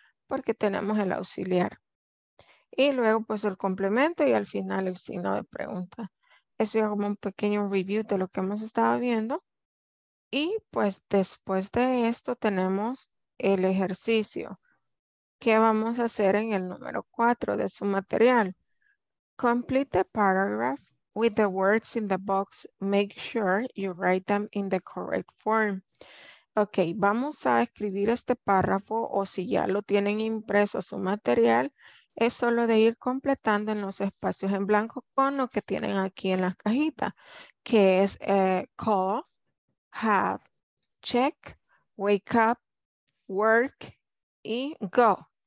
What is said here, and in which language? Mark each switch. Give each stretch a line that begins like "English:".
Spanish: Porque tenemos el auxiliar. Y luego, pues, el complemento y al final el signo de pregunta. Eso es como un pequeño review de lo que hemos estado viendo. Y, pues, después de esto tenemos el ejercicio. ¿Qué vamos a hacer en el número 4 de su material?
English: Complete the paragraph with the words in the box. Make sure you write them in the correct form.
Spanish: Ok, vamos a escribir este párrafo, o si ya lo tienen impreso su material, es solo de ir completando en los espacios en blanco con lo que tienen aquí en las cajitas, que es
English: call, have, check, wake up, work
Spanish: y go.